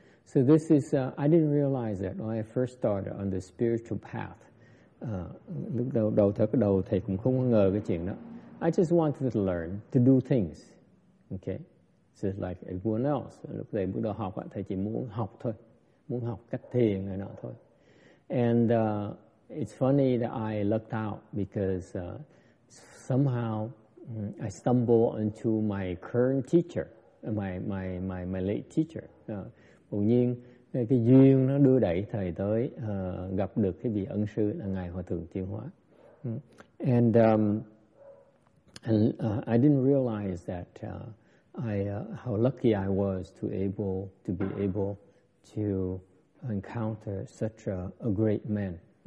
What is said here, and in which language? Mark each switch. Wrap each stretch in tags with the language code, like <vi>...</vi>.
<en>So this is I didn't realize that when I first started on the spiritual path.</en> <vi>Lúc đầu thầy cũng không có ngờ cái chuyện đó.</vi> <en>I just wanted to learn to do things. Okay, so like everyone else.</en> <vi>Lúc thầy bước đầu học, thầy chỉ muốn học thôi, muốn học cách thiền này nọ thôi.</vi> <en>And it's funny that I lucked out because somehow I stumbled into my current teacher, my late teacher.</en> <vi>Bỗng nhiên cái duyên nó đưa đẩy thầy tới gặp được cái vị ân sư là ngài Hòa Thượng Chuyên Hóa.</vi> <en>And I didn't realize that how lucky I was to be able to encounter such a great man.</en>